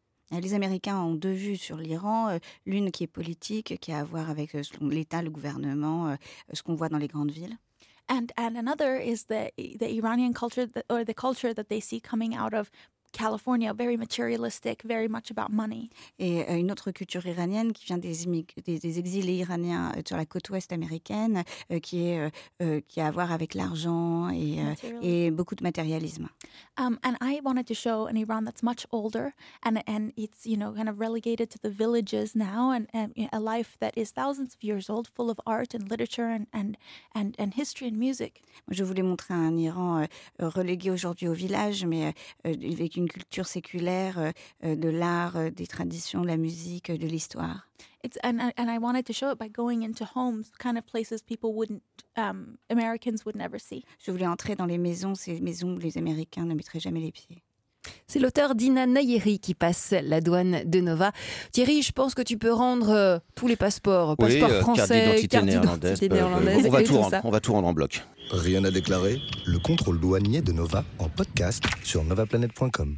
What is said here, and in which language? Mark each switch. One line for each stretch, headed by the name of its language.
French: Les Américains ont deux vues sur l'Iran, l'une qui est politique, qui a à voir avec l'État, le gouvernement, ce qu'on voit dans les grandes villes.
English: And another is the Iranian culture that, or the culture that they see coming out of California, very materialistic, very much about money.
French: Et une autre culture iranienne qui vient des exilés iraniens sur la côte ouest américaine, qui a à voir avec l'argent et beaucoup de matérialisme.
English: And I wanted to show an Iran that's much older, and it's, you know, kind of relegated to the villages now, and a life that is thousands of years old, full of art and literature and history and music.
French: Je voulais montrer un Iran relégué aujourd'hui au village, mais avec une culture séculaire de l'art, des traditions, de la musique, de l'histoire.
English: And I wanted to show it by going into homes, kind of places people wouldn't, Americans would never see.
French: Je voulais entrer dans les maisons, ces maisons où les Américains ne mettraient jamais les pieds. C'est l'auteur Dina Nayeri qui passe la douane de Nova. Thierry, je pense que tu peux rendre tous les passeports, français, carte d'identité néerlandaise, on va tout rendre en bloc. Rien à déclarer ? Le contrôle douanier de Nova en podcast sur novaplanet.com.